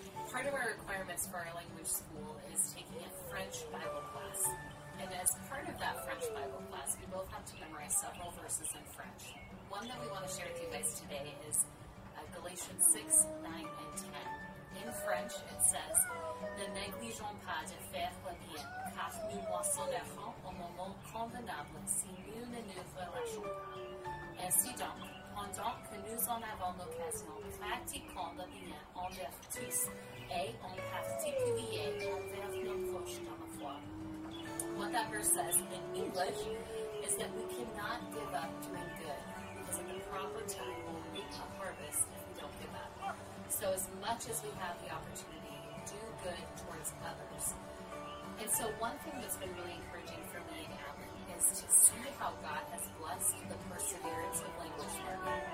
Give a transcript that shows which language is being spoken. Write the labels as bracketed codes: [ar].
[en] Part of our requirements for our language school is taking a French Bible class. And as part of that French Bible class, we both have to memorize several verses in French. One that we want to share with you guys today is Galatians 6, 9, and 10. In French, it says, [fr] "Ne négligeons pas de faire le bien, car nous moissonnerons au moment convenable si nous ne nous relâchons pas. Ainsi donc, pendant que nous en avons l'occasion, pratiquons le bien envers tous et en particulier envers nos proches dans la foi." [en] What that verse says in English is that we cannot give up doing good, because at the proper time we'll reap a harvest if we don't give up. So as much as we have the opportunity, do good towards others. And so one thing that's been really encouraging for me and Alan is to see how God has blessed the perseverance of language learning.